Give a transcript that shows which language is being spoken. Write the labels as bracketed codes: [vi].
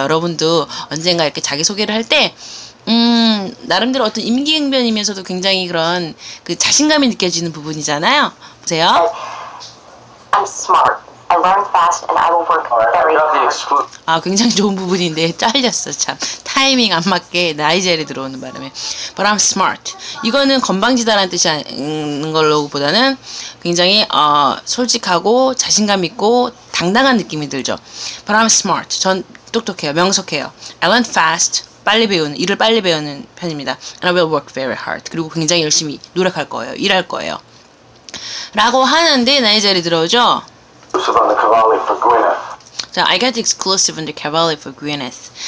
[ko] 여러분도 언젠가 이렇게 자기 소개를 할 때 나름대로 어떤 임기응변이면서도 굉장히 그런 그 자신감이 느껴지는 부분이잖아요. 보세요. [en] I'm smart. I learn fast and I will work very hard. [ko] 아, 굉장히 좋은 부분인데 잘렸어, 참. 타이밍 안 맞게 나이젤이 들어오는 바람에. [en] But I'm smart. [ko] 이거는 건방지다라는 뜻인 걸로보다는 굉장히 솔직하고 자신감 있고 당당한 느낌이 들죠. [en] But I'm smart. [ko] 전 똑똑해요. 명석해요. [en] I learn fast. [ko] 빨리 배우는, 일을 빨리 배우는 편입니다. [en] And I will work very hard. [ko] 그리고 굉장히 열심히 노력할 거예요. 일할 거예요. 라고 하는데 나이젤이 들어오죠. [en] So, I got the exclusive under Cavalli for Gwyneth.